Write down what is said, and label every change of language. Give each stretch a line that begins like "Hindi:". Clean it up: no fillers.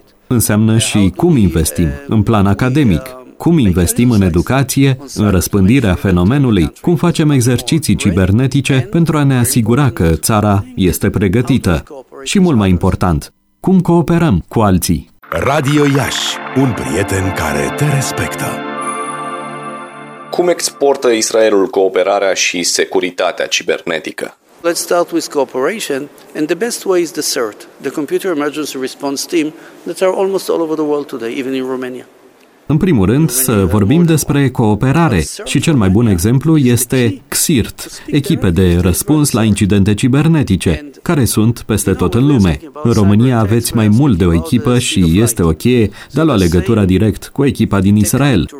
Romanian: Înseamnă și cum investim, în plan academic, cum investim în educație, în răspândirea fenomenului, cum facem exerciții cibernetice pentru a ne asigura că țara este pregătită. Și mult mai important, cum cooperăm cu alții. Radio Iași, un prieten care te respectă. Cum exportă Israelul cooperarea și securitatea cibernetică?
English: Let's start with cooperation, and the best way is the CERT, the Computer Emergency Response Team, that are almost all over the world today, even in Romania.
Romanian: În primul rând, să vorbim despre cooperare și cel mai bun exemplu este XIRT, echipe de răspuns la incidente cibernetice, care sunt peste tot în lume. În România aveți mai mult de o echipă și este o cheie de a lua legătura direct cu echipa din Israel.